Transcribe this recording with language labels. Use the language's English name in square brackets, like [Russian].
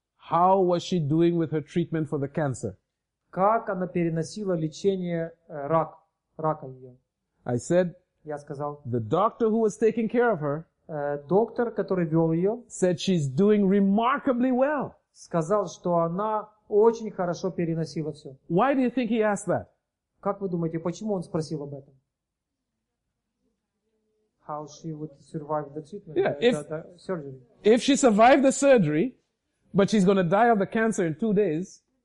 [English] How was she doing with her treatment for the cancer? [Russian] Как она переносила лечение рака ее? [English] I said. [Russian] Я сказал. [English] The doctor who was taking care of her. [Russian] Доктор, который вел ее. [English] Said she's doing remarkably well. [Russian] Сказал, что она очень хорошо переносила все. [English] Why do you think he asked that? [Russian] Как вы думаете, почему он спросил об этом? [English] How she would survive the treatment? Yeah, the surgery. If she survived the surgery, but she's going to die of the cancer in 2 days.